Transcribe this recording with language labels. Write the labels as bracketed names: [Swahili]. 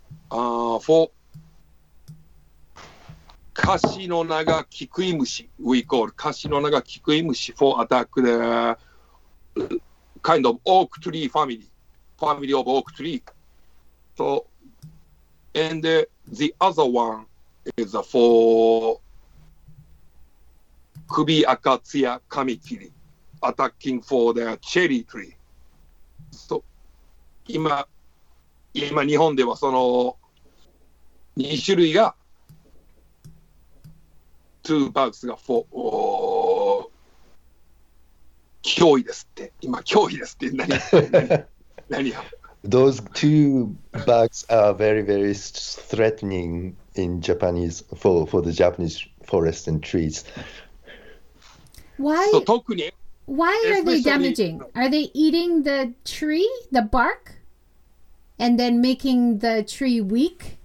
[English] For Kashinonaga Kikuimushi, we call Kashinonaga Kikuimushi for attack the kind of oak tree family of oak tree. So, and the other one is for Kubi Akatsuya Kamikiri, attacking for the cherry tree. So, [Japanese] 今日本ではその2種類が2バグスが脅威ですって今脅威ですって何 [English] Those two bugs are very very threatening in Japanese for the Japanese forest and trees. Why? Why are they damaging? Are they eating the tree, the bark, and then making the tree weak?